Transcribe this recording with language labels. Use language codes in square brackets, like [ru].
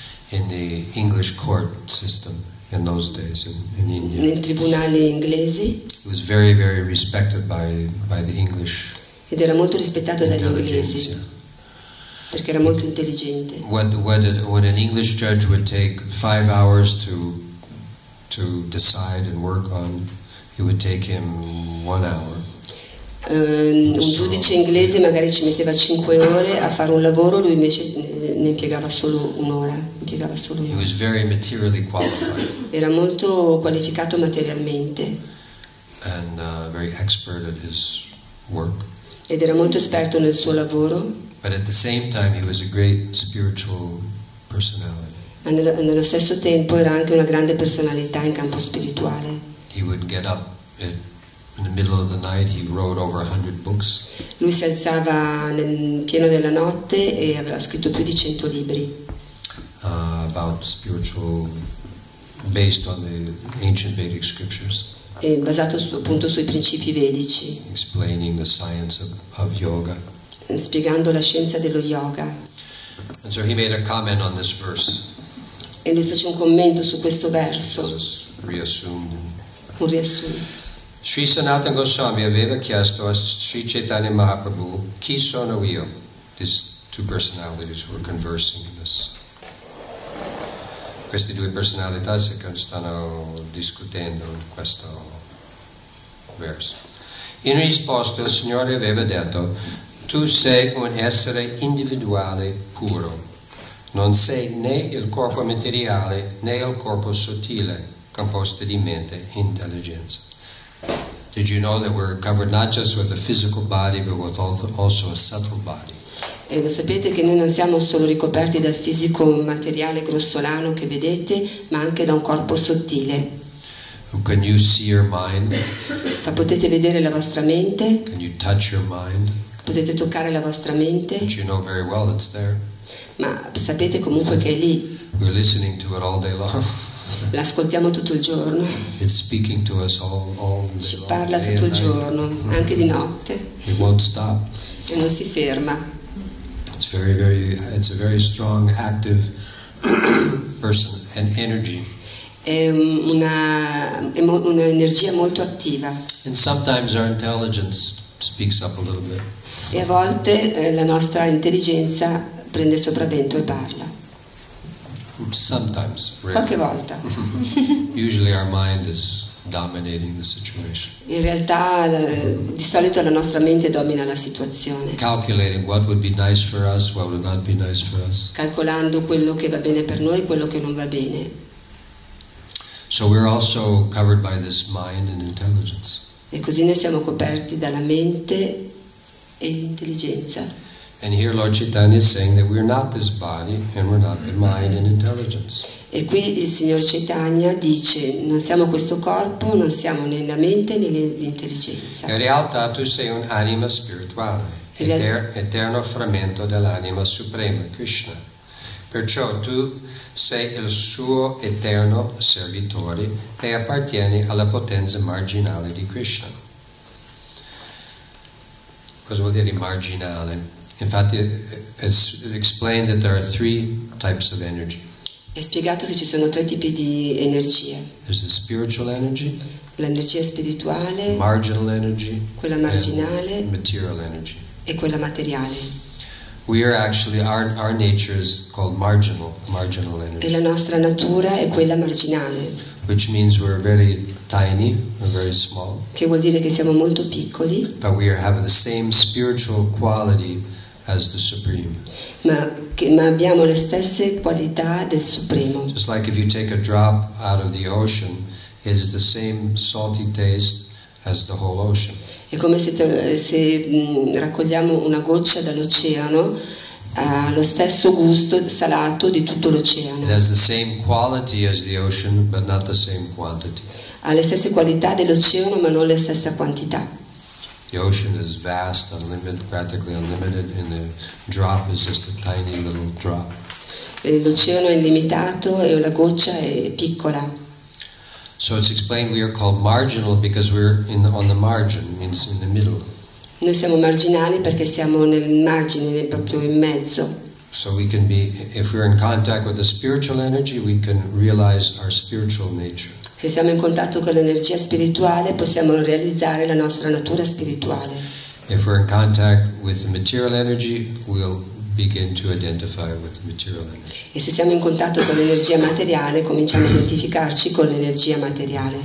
[en] In the English court system in those days in India. [it] Nei tribunali inglesi. [en] He was very, very respected by the English. [it] Ed era molto rispettato dagli inglesi perché era molto intelligente. [en] When an English judge would take 5 hours to decide and work on, it would take him 1 hour. [it] Un giudice inglese magari ci metteva 5 ore a fare un lavoro, lui invece ne impiegava solo un'ora. [en] He was very materially qualified. [it] Era molto qualificato materialmente. [en] And very expert at his work. [it] Ed era molto esperto nel suo lavoro. [en] But at the same time he was a great spiritual personality. [it] Nello stesso tempo era anche una grande personalità in campo spirituale. [en] He would get up in the middle of the night, he wrote over 100 books. [it] Lui si alzava nel pieno della notte e aveva scritto più di 100 libri. [en] About spiritual, based on the ancient Vedic scriptures. [it] E basato appunto sui principi vedici. [en] Explaining the science of yoga. [it] Spiegando la scienza dello yoga. [en] And so he made a comment on this verse. [it] E lui fece un commento su questo verso. Un riassunto. Sri Sanatana Goswami aveva chiesto a Sri Chaitanya Mahaprabhu, chi sono io? [en] These two personalities who were conversing in this. [it] Queste due personalità stanno discutendo in questo verso. In risposta il Signore aveva detto, tu sei un essere individuale puro, non sei né il corpo materiale né il corpo sottile, composto di mente e intelligenza. [en] Did you know that we're covered not just with a physical body but with also a subtle body? [it] E lo sapete che noi non siamo solo ricoperti dal fisico materiale grossolano che vedete, ma anche da un corpo sottile. [en] Can you see your mind? [it] Ma potete vedere la vostra mente? [en] Can you touch your mind? [it] Potete toccare la vostra mente? [en] But you know very well it's there. [it] Ma sapete comunque che è lì. [en] We're listening to it all day long. [it] L'ascoltiamo tutto il giorno. [en] It's speaking to us all day long. [it] Ci parla tutto il giorno, anche di notte. [en] It won't stop. [it] E non si ferma. [en] It's very, very. It's a very strong, active person and energy. [it] un'energia molto attiva. [en] And sometimes our intelligence speaks up a little bit. [it] E a volte la nostra intelligenza prende sopravvento e parla. [en] Sometimes, rarely. [it] Qualche volta. [en] Usually our mind is dominating the situation. [it] In realtà, di solito la nostra mente domina la situazione. [en] Calculating what would be nice for us, what would not be nice for us. [it] Calcolando quello che va bene per noi e quello che non va bene. [en] So we're also covered by this mind and intelligence. [it] E così noi siamo coperti dalla mente e intelligenza. [en] And here Lord Chaitanya is saying that we're not this body and we're not the mind and intelligence. [it] E qui il signor Chaitanya dice non siamo questo corpo, non siamo né la mente né l'intelligenza. In realtà tu sei un'anima spirituale, eterno frammento dell'anima suprema, Krishna. Perciò tu sei il suo eterno servitore e appartieni alla potenza marginale di Krishna. Cosa vuol dire marginale? Infatti, [en] it's explained that there are three types of energy. [it] È spiegato che ci sono tre tipi di energia. [en] There's the spiritual energy. [it] L'energia spirituale. [en] Marginal energy. [it] Quella marginale. [en] And material energy. [it] E quella materiale. [en] We are actually our nature is called marginal energy. [it] E la nostra natura è quella marginale. [en] Which means we're very tiny, we're very small. [it] Che vuol dire che siamo molto piccoli. [en] But we have the same spiritual quality as the Supreme. [it] Ma abbiamo le stesse qualità del Supremo. [en] Just like if you take a drop out of the ocean, it is the same salty taste as the whole ocean. [it] È come se raccogliamo una goccia dall'oceano, ha lo stesso gusto salato di tutto l'oceano. [en] It has the same quality as the ocean, but not the same quantity. [it] Ha le stesse qualità dell'oceano, ma non la stessa quantità. [en] The ocean is vast, unlimited, practically unlimited, and the drop is just a tiny little drop. [it] L'oceano è illimitato e la goccia è piccola. [en] So it's explained we are called marginal because we're in on the margin, means in the middle. [it] Noi siamo marginali perché siamo nel margine, proprio in mezzo. [en] So we can be, if we're in contact with the spiritual energy, we can realize our spiritual nature. [it] Se siamo in contatto con l'energia spirituale, possiamo realizzare la nostra natura spirituale. [en] If we're in contact with the material energy, we'll begin to identify with the material energy. [it] E se siamo in contatto con l'energia materiale, cominciamo a identificarci con l'energia materiale.